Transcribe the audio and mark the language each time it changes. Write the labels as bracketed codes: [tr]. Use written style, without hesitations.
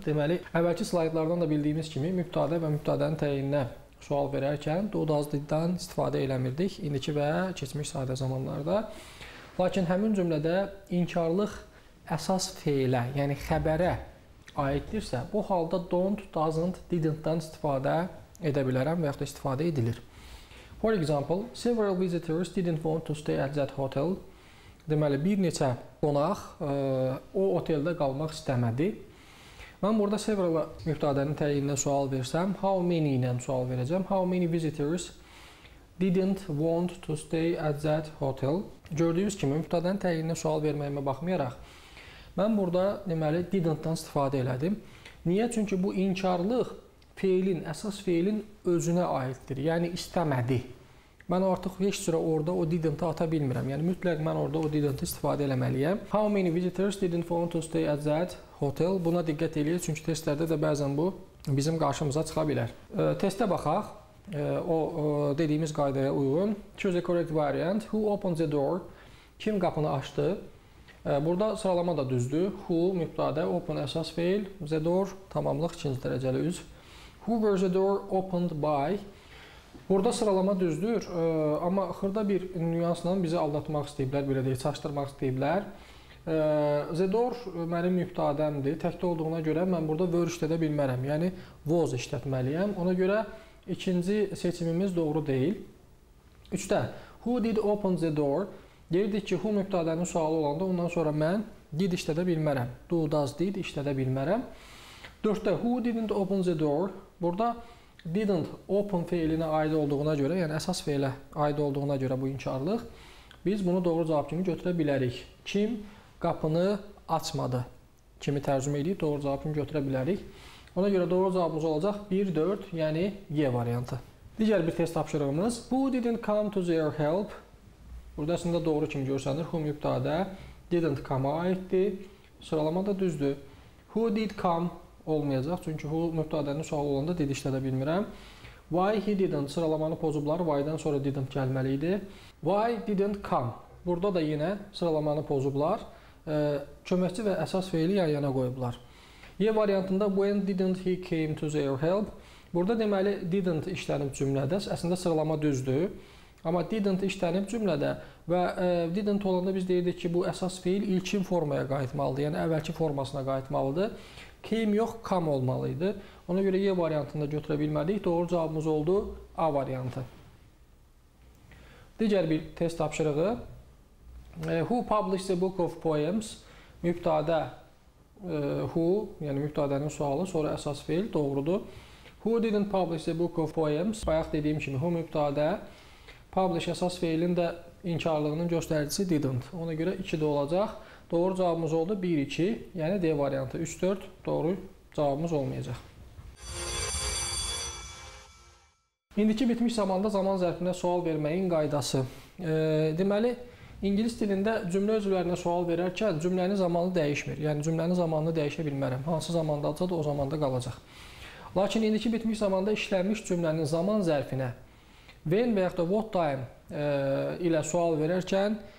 [az] Deməli, əvvəlki slaydlardan da bildiyimiz kimi mübtada və mübtadənin təyininə sual verərkən dodazlıqdan istifadə eləmirdik indiki və keçmiş sadə zamanlarda. Lakin həmin cümlədə inkarlıq əsas feilə, yəni xəbərə aiddirsə, bu halda don't, doesn't, didn't-dan istifadə edə bilərəm və yaxud da istifadə edilir. [en] For example, several visitors didn't want to stay at that hotel. [az] Deməli, bir neçə qonaq o oteldə qalmaq istəmədi. Mən burada several mübtadənin təyininə sual versəm, how many ilə sual verəcəm. [en] How many visitors didn't want to stay at that hotel? [az] Gördüyünüz kimi, mübtadənin təyininə sual verməyimə baxmayaraq, mən burada deməli didn't-dan istifadə elədim. Niyə? Çünki bu inkarlıq feilin, əsas feilin özünə aiddir. Yəni istəmədi. Mən artıq heç cürə orada o didn't-ı ata bilmirəm. Yəni mütləq mən orada o didn't-ı istifadə eləməliyəm. [en] How many visitors didn't want to stay at that hotel? [az] Buna diqqət eləyir, çünki testlərdə də bəzən bu bizim qarşımıza çıxa bilər. Testə baxaq. Dediyimiz qaydaya uyğun. [en] Choose the correct variant. Who opens the door? [az] Kim qapını açdı? Burada sıralama da düzdür. Who, mübtada, open, əsas feil, the door, tamamlıq, ikinci dərəcəli üz. [en] Who were the door opened by? [az] Burada sıralama düzdür, amma xırda bir nüansla bizi aldatmaq istəyiblər, belə deyil, çaşdırmaq istəyiblər. The door mənim mübtadəmdir. Təkdə olduğuna görə mən burada were işlədə bilmərəm, yəni was işlətməliyəm. Ona görə ikinci seçimimiz doğru deyil. [en] Üçdə, who did open the door? [az] Deyirdik ki, who mübtadənin sualı olanda ondan sonra mən did işlədə bilmərəm. Do, does, did işlədə bilmərəm. [en] Dördə, who didn't open the door? [az] Burada didn't open feilinə aid olduğuna görə, yəni əsas feilə aid olduğuna görə bu inkarlıq, biz bunu doğru cavab kimi götürə bilərik. Kim qapını açmadı kimi tərcümə edib doğru cavab kimi götürə bilərik. Ona görə doğru cavabımız olacaq 1-4, yəni Y variantı. Digər bir test tapşırığımız, [en] who didn't come to their help? [az] Burada aslında doğru kimi görsənir. Who mübtadə didn't come-a aiddir. Sıralama da düzdür. Who did come olmayacaq? Çünki who mübtadənin sualı olanda did işlədə bilmirəm. [en] Why he didn't? [az] Sıralamanı pozublar. Why-dan sonra didn't gəlməli idi. [en] Why didn't come? [az] Burada da yenə sıralamanı pozublar. Köməkçi və əsas feili yan-yana qoyublar. Y variantında [en] when didn't he came to their help? [az] Burada deməli didn't işlənib cümlədə. Əslində sıralama düzdür. Amma didn't işlənib cümlədə və didn't olanda biz deyirdik ki, bu əsas feil ilkin formaya qayıtmalıdır, yəni əvvəlki formasına qayıtmalıdır. Came yox, come olmalıydı. Ona görə Y variantında götürə bilmədik. Doğru cavabımız oldu A variantı. Digər bir test tapşırığı. [en] Who published the book of poems? [az] Mübtadə who, yəni mübtadənin sualı, sonra əsas feil doğrudur. [en] Who didn't publish the book of poems? [az] Bayaq dediyim kimi, who mübtadə? Publish əsas feilin də inkarlığının göstəricisi didn't. Ona görə 2 də olacaq. Doğru cavabımız oldu 1-2, yəni D variantı 3-4. Doğru cavabımız olmayacaq. İndiki bitmiş zamanda zaman zərfinə sual verməyin qaydası. Deməli, ingilis dilində cümlə üzvlərinə sual verərkən cümlənin zamanı dəyişmir. Yəni cümlənin zamanını dəyişə bilmərəm. Hansı zamanda olsa da o zamanda qalacaq. Lakin indiki bitmiş zamanda işlənmiş cümlənin zaman zərfinə when və yaxud da what time ilə sual verərkən